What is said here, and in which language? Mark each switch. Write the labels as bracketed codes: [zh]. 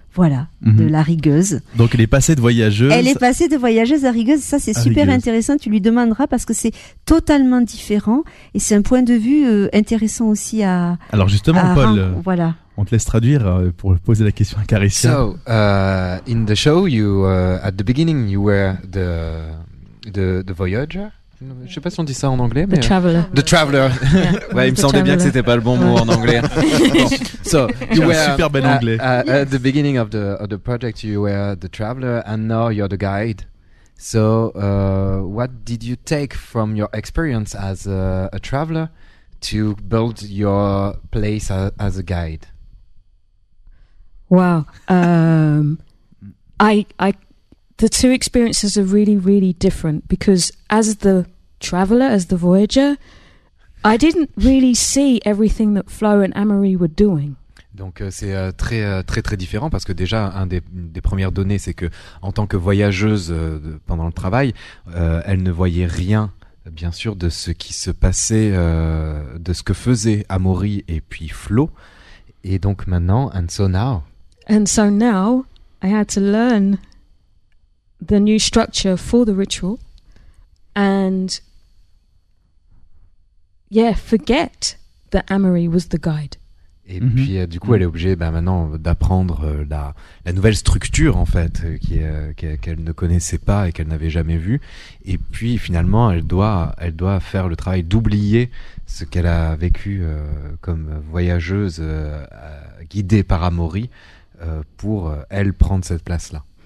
[fr] Voilà, mm-hmm. De la rigueuse. Donc elle est passée de voyageuse. Elle est passée de voyageuse à rigueuse, ça c'est super rigueuse. Intéressant, tu lui demanderas parce que c'est totalement différent et c'est un point de vue intéressant aussi à... Alors justement, Paul, voilà. On te laisse traduire pour poser la question à Caricia. [en] So, in the show, you, at the beginning, you were the voyager. [fr] Je ne sais pas si on dit ça en anglais, mais... [en] The traveler. The traveler. Yeah. [fr] Ouais, il me semblait traveler. Bien que ce n'était pas le bon mot en anglais. [en] So, you were, [fr] super bel anglais. [en] Yes. At the beginning of the project, you were the traveler, and now you're the guide. So, what did you take from your experience as a traveler to build your place as a guide? Wow. The two experiences are really, really different because as the traveler, as the voyager, I didn't really see everything that Flo and Amaury were doing. [fr] Donc c'est très, très, très différent parce que déjà, une des premières données, c'est que en tant que voyageuse pendant le travail, elle ne voyait rien, bien sûr, de ce qui se passait, de ce que faisaient Amaury et puis Flo. Et donc maintenant, [en] and so now, I had to learn the new structure for the ritual and forget that Amaury was the guide. [fr] Et mm-hmm. puis du coup elle est obligée maintenant d'apprendre la nouvelle structure en fait qu'elle ne connaissait pas et qu'elle n'avait jamais vue, et puis finalement elle doit faire le travail d'oublier ce qu'elle a vécu comme voyageuse guidée par Amaury pour elle prendre cette place là.